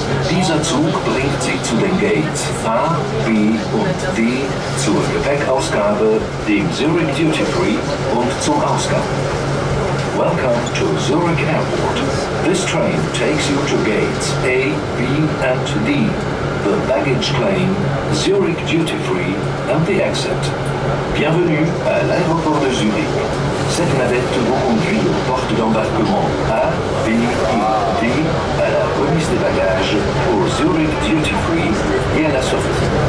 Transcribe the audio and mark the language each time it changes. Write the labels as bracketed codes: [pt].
[de] Dieser Zug bringt Sie zu den Gates A, B und D, zur Gepäckausgabe, dem Zurich Duty Free und zum Ausgang. [en] Welcome to Zurich Airport. This train takes you to Gates A, B and D, the baggage claim, Zurich Duty Free and the exit. [fr] Bienvenue à l'aéroport de Zurich. Cette navette vous conduit aux portes d'embarquement A, B et D à la remise des bagages pour Zurich Duty Free et à la sortie.